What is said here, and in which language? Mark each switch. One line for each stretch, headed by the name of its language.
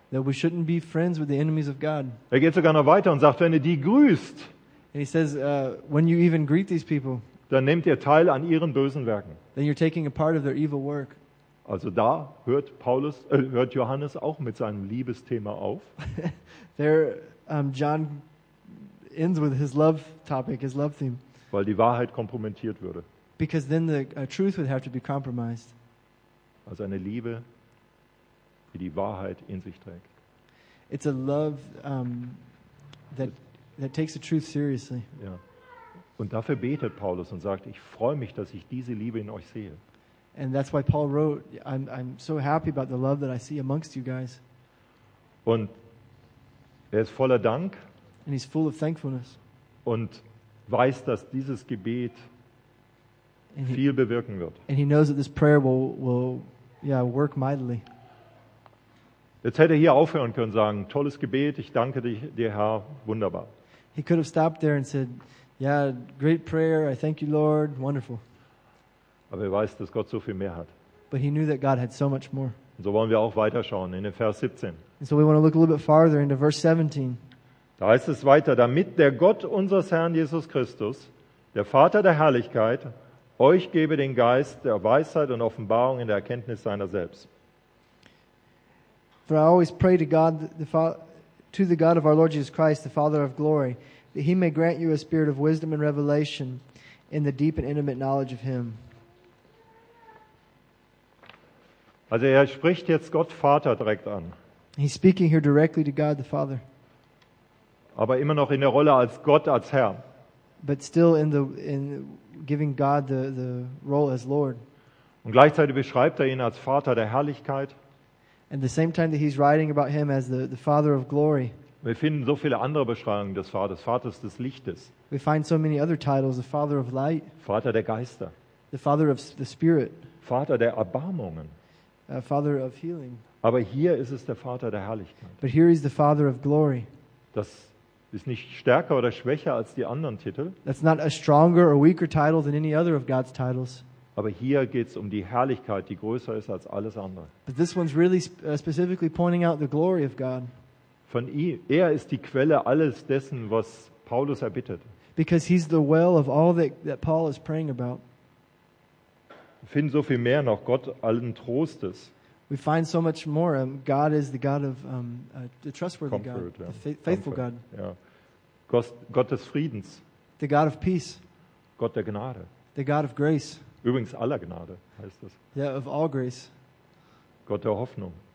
English: That we shouldn't be friends with the enemies of God.
German: Er geht sogar noch weiter und sagt, wenn ihr die grüßt.
English: And he says, when you even greet these people.
German: Dann nehmt ihr teil an ihren bösen Werken.
English: Then you're taking a part of their evil work.
German: Also da hört Johannes auch mit seinem Liebesthema auf.
English: There, John ends with his love topic, his love theme.
German: Weil die Wahrheit kompromittiert würde.
English: Because then the truth would have to be compromised.
German: Also eine Liebe, die die Wahrheit in sich trägt.
English: It's a love that takes the truth seriously.
German: Ja. Und dafür betet Paulus und sagt, ich freue mich, dass ich diese Liebe in euch sehe.
English: And that's why Paul wrote, I'm so happy about the love that I see amongst you guys.
German: Und er ist voller Dank.
English: And he's full of thankfulness.
German: Und weiß, dass dieses Gebet viel bewirken wird.
English: And he knows that this prayer will work mightily.
German: Jetzt hätte er hier aufhören können und sagen, tolles Gebet, ich danke dir, Herr, wunderbar.
English: He could have stopped there and said, yeah, great prayer, I thank you, Lord, wonderful.
German: Aber er weiß, dass Gott so viel mehr hat.
English: But he knew that God had so much more.
German: Und so wollen wir auch weiterschauen in den Vers 17.
English: And so we want to look a little bit farther into verse 17.
German: Da heißt es weiter, damit der Gott unseres Herrn Jesus Christus, der Vater der Herrlichkeit, euch gebe den Geist der Weisheit und Offenbarung in der Erkenntnis seiner selbst.
English: For I always pray to God, to the God of our Lord Jesus Christ, the Father of glory, that he may grant you a spirit of wisdom and revelation in the deep and intimate knowledge of him.
German: Also er spricht jetzt Gott Vater direkt an.
English: He's speaking here directly to God the Father.
German: Aber immer noch in der Rolle als Gott, als Herr.
English: But still in giving God the role as Lord.
German: Und gleichzeitig beschreibt er ihn als Vater der Herrlichkeit.
English: And the same time that he's writing about him as the Father of glory.
German: Wir finden so viele andere Beschreibungen des Vaters, Vaters des Lichtes.
English: We find so many other titles, the Father of light.
German: Vater der Geister.
English: The Father of the Spirit.
German: Vater der Erbarmungen.
English: Father of healing.
German: Aber hier ist es der Vater der Herrlichkeit.
English: But here is the Father of glory.
German: Das ist nicht stärker oder schwächer als die anderen Titel.
English: That's not a stronger or weaker title than any other of God's titles.
German: Aber hier geht's um die Herrlichkeit, die größer ist als alles andere.
English: But this one's really specifically pointing out the glory of God.
German: Von ihm, er ist die Quelle alles dessen, was Paulus erbittet.
English: Because he's the well of all that Paul is praying about.
German: Wir finden so viel mehr noch Gott allen Trostes.
English: We find so much more. God is the God of the trustworthy comfort, God, the faithful comfort, God.
German: Ja. Gott des Friedens.
English: The God of peace.
German: Gott der Gnade.
English: The God of grace.
German: Übrigens aller Gnade heißt das.
English: Yeah, of all grace.
German: Gott der Hoffnung.